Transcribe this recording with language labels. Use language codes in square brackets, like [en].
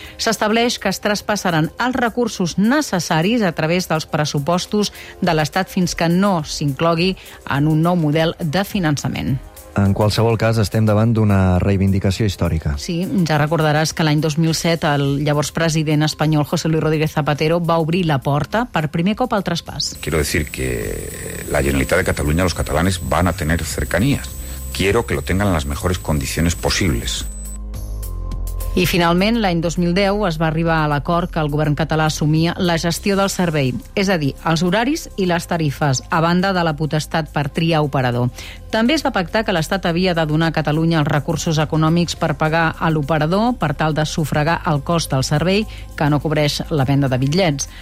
[ca] S'estableix que es traspassaran els recursos necessaris a través dels pressupostos de l'Estat fins que no s'inclogui en un nou model de finançament. En qualsevol cas, estem davant d'una reivindicació històrica. Sí, ja recordaràs que l'any 2007 el llavors president espanyol José Luis Rodríguez Zapatero va obrir la porta per primer cop al traspàs. [es] Quiero decir que la Generalitat de Catalunya, los catalanes, van a tener cercanías. Quiero que lo tengan en las mejores condiciones posibles. [ca] I finalment, l'any 2010, es va arribar a l'acord que el govern català assumia la gestió del servei, és a dir, els horaris i les tarifes, a banda de la potestat per triar operador. També es va pactar que l'Estat havia de donar a Catalunya els recursos econòmics per pagar a l'operador per tal de sufragar el cost del servei que no cobreix la venda de bitllets.